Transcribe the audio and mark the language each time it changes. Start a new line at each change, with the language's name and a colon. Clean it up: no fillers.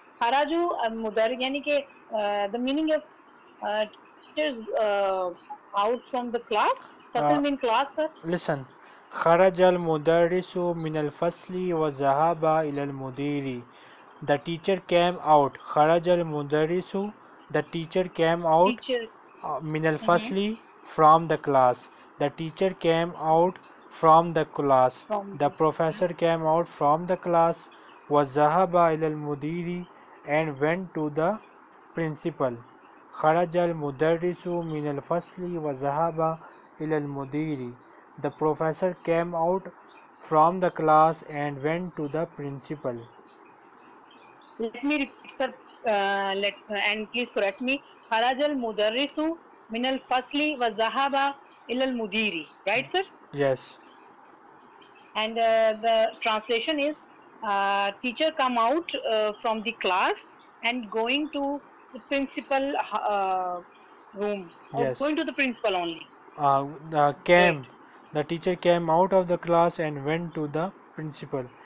English: Haraju mudar yani ke the meaning of teachers out from the class. Fasl mean class, sir. Listen.
Arabic: خرج المدرس من الفصل وذهب إلى المدير.
English: The teacher came out.
Arabic: خرج المدرس.
English: The teacher came out teacher.
Arabic: من الفصل
English: from the class. The teacher came out from the class. The professor came out from the class.
Arabic: وذهب إلى المدير
English: and went to the principal.
Arabic: خرج المدرس من الفصل وذهب إلى المدير.
English: The professor came out from the class and went to the principal. Let me repeat, sir. And please correct me.
Arabic: خرج المدرس من الفصل وذهب إلى المدير.
English: Right, sir? Yes. And the translation is teacher come out from the class and going to the principal room. Yes. Going to the principal only. Came. Right. The teacher came out of the class and went to the principal.